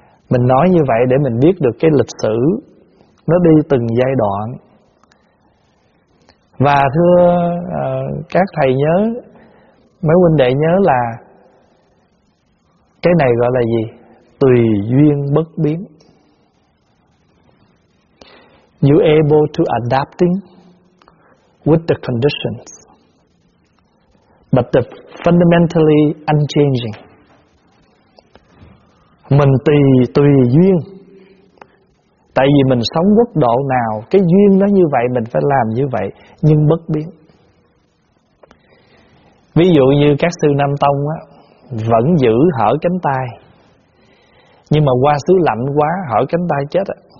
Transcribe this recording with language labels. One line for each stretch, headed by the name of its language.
Vietnamese: Mình nói như vậy để mình biết được cái lịch sử nó đi từng giai đoạn. Và thưa các thầy nhớ, mấy huynh đệ nhớ là cái này gọi là gì? Tùy duyên bất biến.
English: You able to adapting with the conditions, but the fundamentally unchanging.
Vietnamese: Mình tùy duyên. Tại vì mình sống quốc độ nào, cái duyên nó như vậy, mình phải làm như vậy, nhưng bất biến. Ví dụ như các sư Nam Tông á, vẫn giữ hở cánh tay, nhưng mà qua xứ lạnh quá, hở cánh tay chết á.